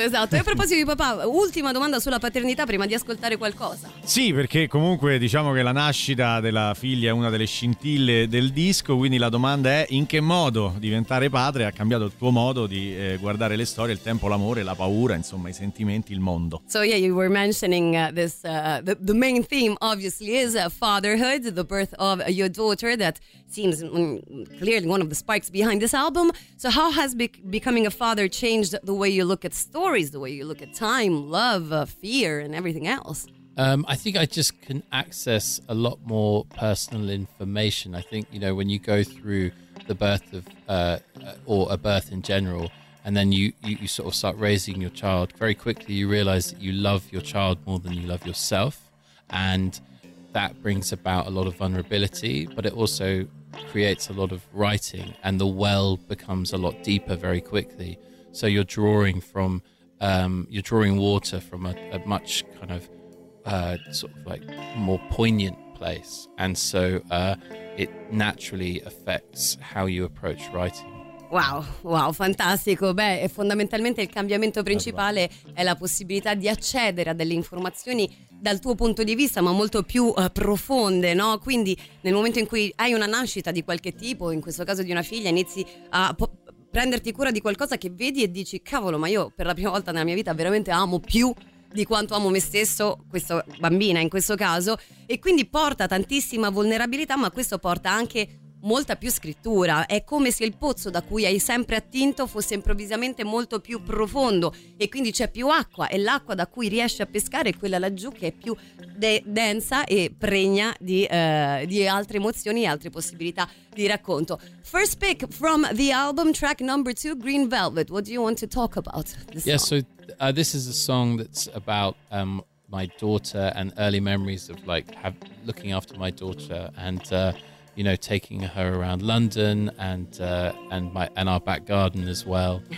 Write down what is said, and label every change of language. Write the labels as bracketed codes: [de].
[it] E a proposito di papà, ultima domanda sulla paternità prima di ascoltare qualcosa. Sì, perché comunque diciamo che la nascita della figlia è una delle scintille del disco, quindi la domanda è: in che modo diventare padre ha cambiato il tuo modo di guardare le storie, il tempo, l'amore, la paura, insomma i sentimenti, il mondo? [en] So yeah, you were mentioning this, the main theme obviously is fatherhood, the birth of your daughter, that seems clearly one of the sparks behind this album. So how has becoming a father changed the way you look at stories, the way you look at time, love, fear, and everything else? I think I just can access a lot more personal information. I think, you know, when you go through the birth of or a birth in general, and then you sort of start raising your child, very quickly you realize that you love your child more than you love yourself, and that brings about a lot of vulnerability, but it also creates a lot of writing, and the well becomes a lot deeper very quickly. So you're drawing from you're drawing water from a much kind of sort of like more poignant place, and so it naturally affects how you approach writing. [it] Wow, fantastico. Beh, fondamentalmente il cambiamento principale è la possibilità di accedere a delle informazioni dal tuo punto di vista, ma molto più profonde, no? Quindi nel momento in cui hai una nascita di qualche tipo, in questo caso di una figlia, inizi a prenderti cura di qualcosa che vedi e dici: cavolo, ma io per la prima volta nella mia vita veramente amo più di quanto amo me stesso, questa bambina in questo caso, e quindi porta tantissima vulnerabilità, ma questo porta anche molta più scrittura. È come se il pozzo da cui hai sempre attinto fosse improvvisamente molto più profondo, e quindi c'è più acqua, e l'acqua da cui riesci a pescare è quella laggiù, che è più densa e pregna di altre emozioni e altre possibilità di racconto. [en] First pick from the album, track number 2, Green Velvet. What do you want to talk about? Yeah, so this is a song that's about my daughter and early memories of like looking after my daughter and you know, taking her around London and our back garden as well.